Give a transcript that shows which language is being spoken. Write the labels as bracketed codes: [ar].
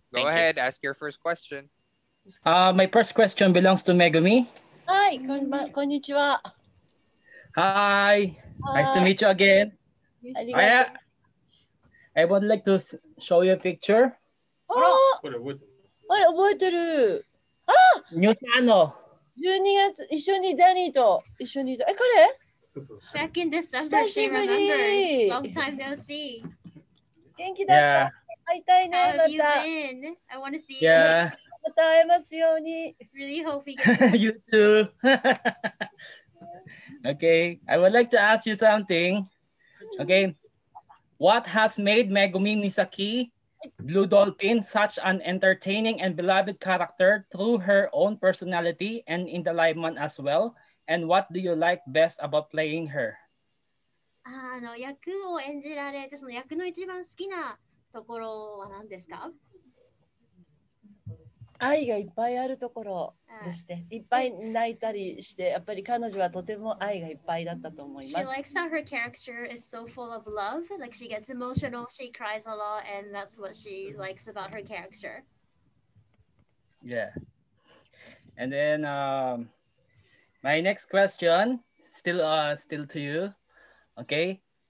[en] Go Thank ahead, you. Ask your first question. My first question belongs to Megumi. Hi, konnichiwa. Hi. Nice to meet you again. I would like to show you a picture. Oh, I remember. New channel. [ja] 12月 一緒にダニーと一緒にいた。え、これ [en] Back in December, [ja] 久しぶり [en] Long time no see. [ja] 元気だった。会いたいね、また。 [en] How have you been? I want to see you. Yeah. [ja] また会えますように。 [en] Really hope we get to. You too. Okay, I would like to ask you something. Okay, what has made Megumi Misaki, Blue Dolphin, such an entertaining and beloved character through her own personality and in the Liveman as well? And what do you like best about playing her? [ja] I がいっぱいあるところですね。いっぱい泣いたりして、やっぱり彼女はとても愛がいっぱいだったと思います。 [en] She likes how her character is so full of love. Like she gets emotional, she cries a lot, and that's what she likes about her character. Yeah. And then, my next question, still to you. Okay.